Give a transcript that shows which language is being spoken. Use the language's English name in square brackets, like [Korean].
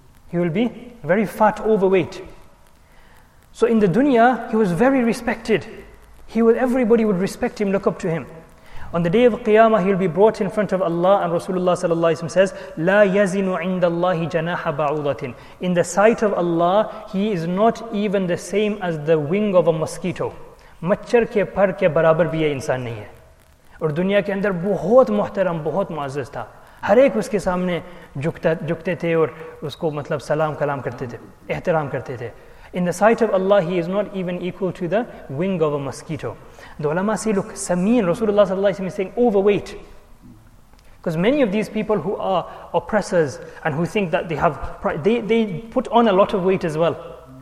[English] He will be very fat, overweight. So in the dunya, he was very respected. Everybody would respect him, look up to him. On the day of Qiyamah, he'll be brought in front of Allah, and Rasulullah sallallahu alayhi wa sallam says, [Arabic] لا يزن عند الله جناح بعوضة. [English] In the sight of Allah, he is not even the same as the wing of a mosquito. [Urdu] مچھر کے پر کے برابر بھی ہے انسان نہیں ہے۔ اور دنیا کے اندر بہت محترم، بہت معزز تھا۔ ہر ایک اس کے سامنے جھکتے تھے اور اس کو مطلب سلام کلام کرتے تھے، احترام کرتے تھے۔ [English] In the sight of Allah, he is not even equal to the wing of a mosquito. The ulama say, look, Sameen, Rasulullah sallallahu alayhi wa sallam is saying, overweight. Because many of these people who are oppressors and who think that they have pride, they put on a lot of weight as well.